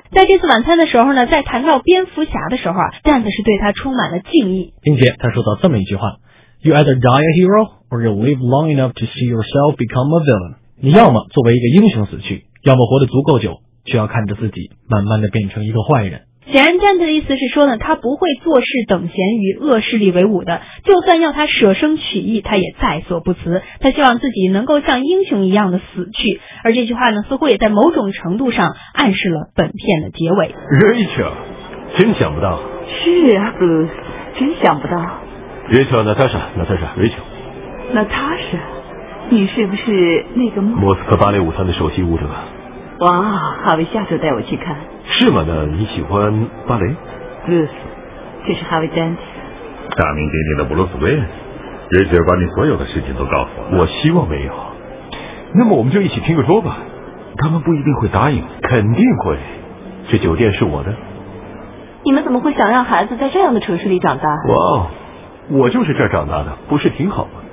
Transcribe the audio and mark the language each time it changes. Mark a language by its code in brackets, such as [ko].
[zh] 在这次晚餐的时候呢，在谈到蝙蝠侠的时候啊 ，Dent 是对他充满了敬意，并且他说到这么一句话 [en] ：You either die a hero, or you live long enough to see yourself become a villain. [zh] 你要么作为一个英雄死去，要么活得足够久，却要看着自己慢慢的变成一个坏人。显然 Dent 的意思是说呢，他不会坐视等闲与恶势力为伍的，就算要他舍生取义，他也在所不辞。他希望自己能够像英雄一样的死去，而这句话呢，似乎也在某种程度上暗示了本片的结尾。 Rachel， 真想不到。是啊 ，Bruce， 真想不到。 Rachel， Natasha， Natasha， Rachel。 Natasha， 你是不是那个莫斯科芭蕾舞团的首席舞者？哇，哈维下周带我去看。是吗？那你喜欢芭蕾？ Bruce， 这是 Harvey Dent，大名鼎鼎的布鲁斯威恩。瑞切尔把你所有的事情都告诉我了。我希望没有。那么我们就一起听个说吧。他们不一定会答应。肯定会。这酒店是我的。你们怎么会想让孩子在这样的城市里长大？哇，我就是这儿长大的，不是挺好吗？